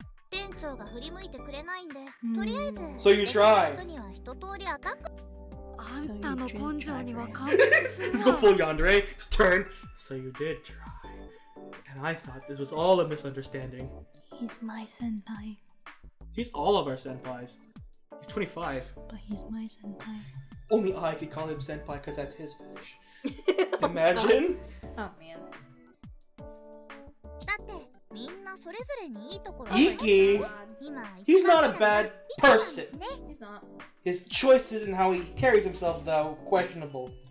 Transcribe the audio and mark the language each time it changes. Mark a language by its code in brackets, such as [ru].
[ja] 店長が振り向いてくれないんで、とりあえず。 [en] So you try。 [ja] 人には一通りアタック。あんたの根性には完璧。 [en] Let's go full yandere. Turn. So you did try, and I thought this was all a misunderstanding. He's my senpai. He's all of our senpais. He's 25. But he's my senpai. Only I could call him senpai because that's his fetish. Imagine. Oh, oh man. [ja] だってみんなそれぞれにいいところがあるから。 [en] Iki, he's not a bad person. He's not. His choices and how he carries himself, though, questionable.